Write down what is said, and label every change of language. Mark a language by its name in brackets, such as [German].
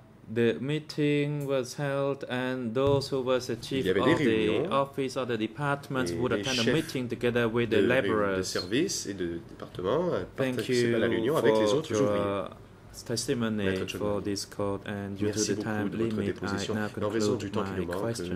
[English] The meeting was held, and those who were the chief of the office or the department would attend a meeting together with the laborers. [French] De service et de département participaient à la réunion avec les autres ouvriers. [English] Testimony for this court and due [French] merci [English] to the time limit, I now conclude my question.